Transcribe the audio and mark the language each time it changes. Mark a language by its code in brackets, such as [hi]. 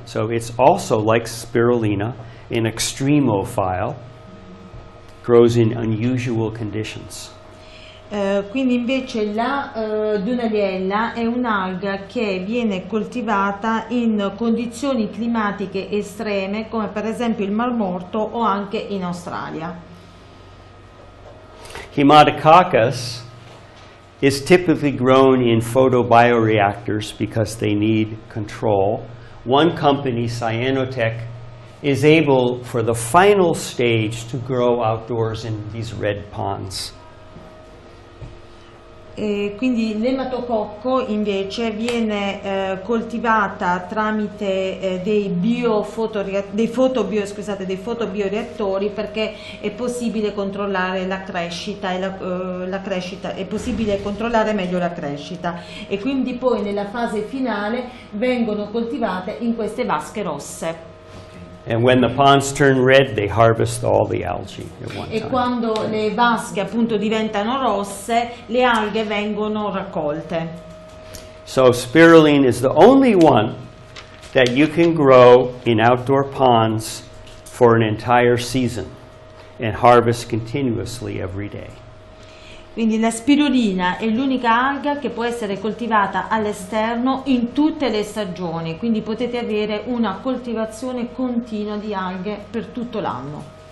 [en] So it's also like spirulina, an extremophile, grows in unusual conditions. [it] Quindi invece la Dunaliella è un'alga che viene coltivata in condizioni climatiche estreme, come per esempio il Mar Morto o anche in Australia. [en] Haematococcus is typically grown in photobioreactors because they need control. One company, Cyanotech, is able for the final stage to grow outdoors in these red ponds. [it] Quindi l'ematococco invece viene coltivata tramite dei fotobioreattori, perché è possibile controllare la crescita e la crescita e quindi poi nella fase finale vengono coltivate in queste vasche rosse. [en] And when the ponds turn red, they harvest all the algae at one time. [it] E quando le vasche appunto diventano rosse, le alghe vengono raccolte. [en] So spirulina is the only one that you can grow in outdoor ponds for an entire season and harvest continuously every day. [it] Quindi la spirulina è l'unica alga che può essere coltivata all'esterno in tutte le stagioni, quindi potete avere una coltivazione continua di alghe per tutto l'anno.